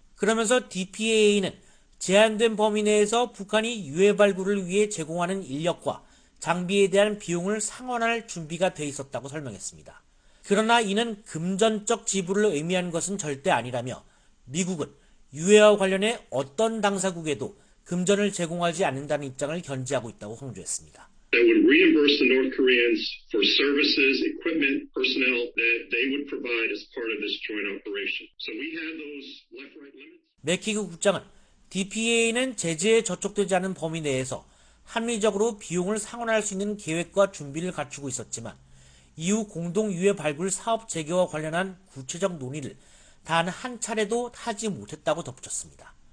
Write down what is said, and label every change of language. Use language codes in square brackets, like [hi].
[ko] 그러면서 DPAA는 제한된 범위 내에서 북한이 유해 발굴을 위해 제공하는 인력과 장비에 대한 비용을 상환할 준비가 돼 있었다고 설명했습니다. 그러나 이는 금전적 지불을 의미하는 것은 절대 아니라며 미국은 유해와 관련해 어떤 당사국에도 금전을 제공하지 않는다는 입장을 견지하고 있다고 강조했습니다. [en] That would reimburse the North Koreans for services, equipment, personnel that they would provide as part of this joint operation. So we have those left-right limits. [ko] 맥키그 국장은 DPAA는 제재에 저촉되지 않은 범위 내에서 합리적으로 비용을 상환할 수 있는 계획과 준비를 갖추고 있었지만 이후 공동 유해 발굴 사업 재개와 관련한 구체적 논의를 단 한 차례도 하지 못했다고 덧붙였습니다.